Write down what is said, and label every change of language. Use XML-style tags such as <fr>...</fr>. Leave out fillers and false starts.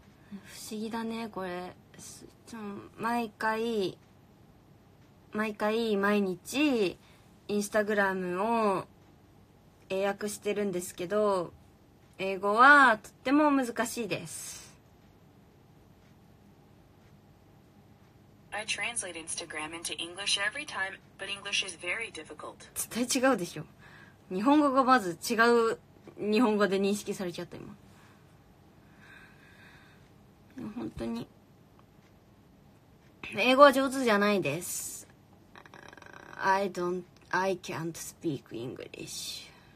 <ja>不思議だね、これ。毎回毎日インスタグラムを英訳してるんですけど、英語はとっても難しいです。</ja> <en>I translate Instagram into English every time, but English is very difficult.</en> <ja>絶対違うでしょ。日本語がまず違う日本語で認識されちゃった今。本当に英語は上手じゃないです。</ja> <en>I can't speak English.</en>